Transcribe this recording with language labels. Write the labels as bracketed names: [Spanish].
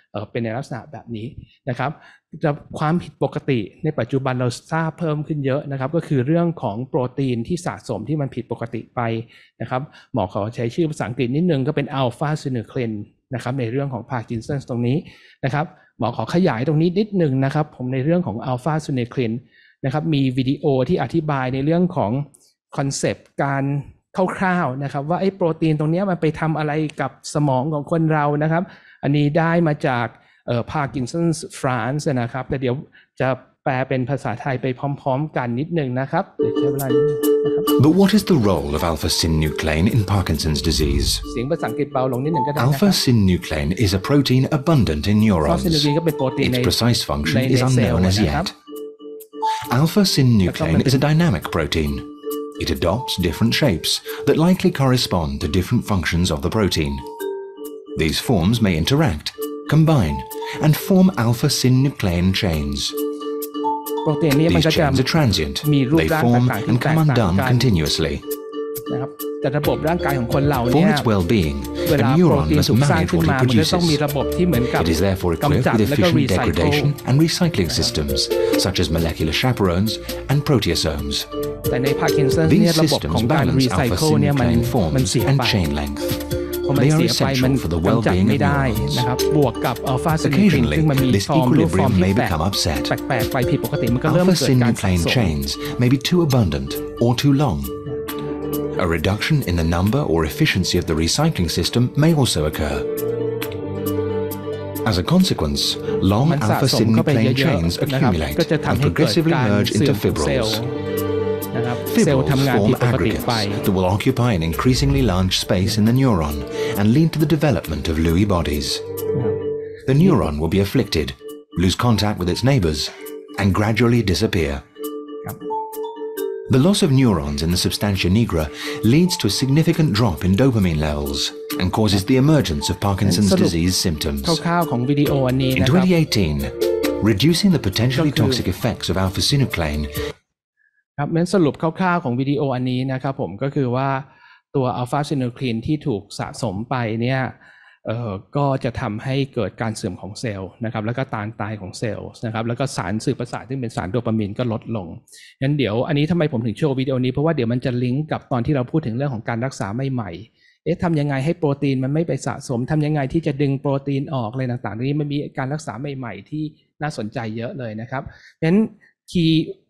[Thai] เป็นในลักษณะแบบนี้นะครับความผิดปกติในปัจจุบันเราทราบเพิ่มขึ้นเยอะนะครับก็คือเรื่องของโปรตีนที่สะสมที่มันผิดปกติไปนะครับหมอเขาใช้ชื่อภาษาอังกฤษนิดนึงก็เป็นอัลฟาซินูคลีนนะครับในเรื่องของพาร์กินสันตรงนี้นะครับหมอขอขยายตรงนี้นิดนึงนะครับผมในเรื่องของอัลฟาซินูคลีนนะครับมีวิดีโอที่อธิบายในเรื่องของคอนเซปต์การ คร่าวๆนะครับว่าไอ้โปรตีนตรงนี้มันไปทำอะไรกับสมองของคนเรานะครับอันนี้ได้มาจากพาร์กินสันส์ฟรานซ์นะครับแต่เดี๋ยวจะแปลเป็นภาษาไทยไปพร้อมๆกันนิดนึงนะครับใช้เวลานิดนึงนะครับ [English] But what is the role of alpha synuclein in Parkinson's disease [Thai] เสียงภาษาอังกฤษเบาลงนิดนึงก็ได้ [English] Alpha synuclein is a protein abundant in neurons Its precise function is unknown as yet Alpha synuclein is a dynamic proteinIt adopts different shapes that likely correspond to different functions of the protein. These forms may interact, combine, and form alpha-synuclein chains. These chains are transient. They form and come undone continuously. For its well-being, a neuron must manage what it produces. It is therefore equipped with efficient degradation and recycling systems, such as molecular chaparones and proteasomes. [Thai] แต่ในพาร์กินสันเนี่ยระบบของการรีไซเคิลเนี่ยมันเสียไปเพราะมันเสียไปมันจำจัดไม่ได้นะครับบวกกับอัลฟาซินูคลีนซึ่งมันมีฟอร์มหรือฟอร์มที่แปลกไปผิดปกติมันก็เริ่มเกิดการสะสม [English] maybe too abundant or too long a reduction in the number or efficiency of the recycling system may also occurAs a consequence, long alpha synuclein chains accumulate and progressively merge into fibrils. Fibrils form aggregates that will occupy an increasingly large space in the neuron and lead to the development of Lewy bodies. The neuron will be afflicted, lose contact with its neighbors, and gradually disappear. The loss of neurons in the substantia nigra leads to a significant drop in dopamine levels and causes the emergence of Parkinson's disease symptoms. In 2018, reducing the potentially toxic effects of alpha-synuclein. [Thai] ครับสรุปคร่าวๆของวิดีโออันนี้นะครับผมก็คือว่าตัวอัลฟาซินูคลีนที่ถูกสะสมไปเนี่ยก็จะทำให้เกิดการเสื่อมของเซลล์นะครับแล้วก็การตายของเซลล์นะครับแล้วก็สารสื่อประสาทซึ่งเป็นสารโดปามีนก็ลดลงงั้นเดี๋ยวอันนี้ทำไมผมถึงโชว์วิดีโอนี้เพราะว่าเดี๋ยวมันจะลิงก์กับตอนที่เราพูดถึงเรื่องของการรักษาใหม่ๆเอ๊ะทำยังไงให้โปรตีนมันไม่ไปสะสมทำยังไงที่จะดึงโปรตีนออกอะไรต่างๆนี้มันมีการรักษาใหม่ๆที่น่าสนใจเยอะเลยนะครับงั้นคีย์